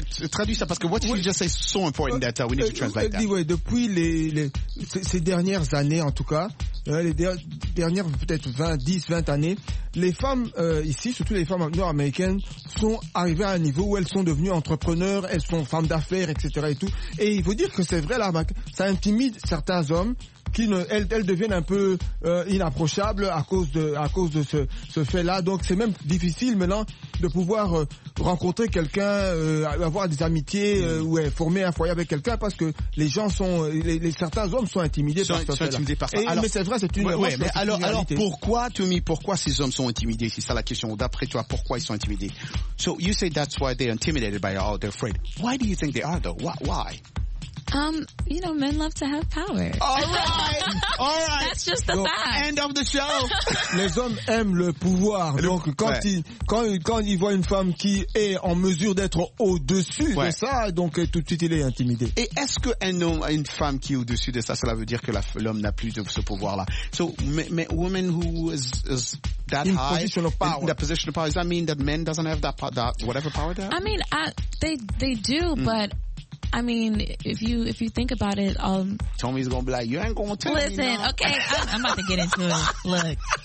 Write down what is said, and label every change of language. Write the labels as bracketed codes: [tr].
[fr] Traduis ça, parce que [en] what you just say is so important that we need to translate that. [fr] Ouais, depuis ces dernières années, en tout cas, les dernières peut-être 10-20 années, les femmes ici, surtout les femmes nord-américaines, sont arrivées à un niveau où elles sont devenues entrepreneurs, elles sont femmes d'affaires, etc. et tout. Et il faut dire que c'est vrai, là, ça intimide certains hommes qui elles deviennent un peu inapprochables à cause de ce fait-là. Donc c'est même difficile maintenant de pouvoir rencontrer quelqu'un, avoir des amitiés ou former un foyer avec quelqu'un, parce que les gens sont certains hommes sont intimidés par ça. Mais c'est vrai, c'est une erreur. Mais alors pourquoi, Tommy, pourquoi ces hommes sont intimidés? C'est ça la question. D'après toi, pourquoi ils sont intimidés? [en] So you say that's why they're intimidated by all their friends. Why do you think they are though? Why? You know, men love to have power. All right. That's just the fact. End of the show. [fr] Les hommes aiment le pouvoir. Donc, quand ils voient une femme qui est en mesure d'être au-dessus de ça, donc tout de suite, il est intimidé. Et est-ce qu'un homme, une femme qui est au-dessus de ça, cela veut dire que l'homme n'a plus de ce pouvoir-là? [en] So, women who is that in high, position of power. In the position of power, does that mean that men doesn't have that whatever power they have? I mean, they do, but I mean, if you think about it, Tommy's gonna be like, you ain't gonna tell me. Listen, okay, I'm about to get into it. Look,